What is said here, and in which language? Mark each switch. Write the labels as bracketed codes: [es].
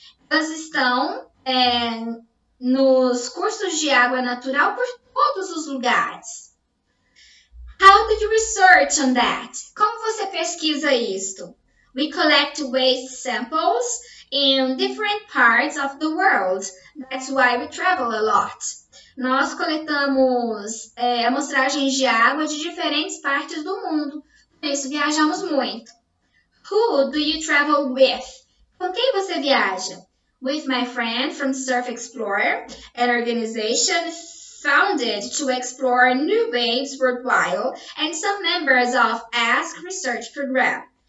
[pt] Elas estão nos cursos de água natural por todos os lugares. [en] How do you research on that? [pt] Como você pesquisa isto? [en] We collect waste samples in different parts of the world. That's why we travel a lot. [pt] Nós coletamos amostragens de água de diferentes partes do mundo. Por isso, viajamos muito. [en] Who do you travel with? [pt] Com quem você viaja? [en] With my friend from Surf Explorer, an organization founded to explore new waves worldwide, and some members of Ask Research Program.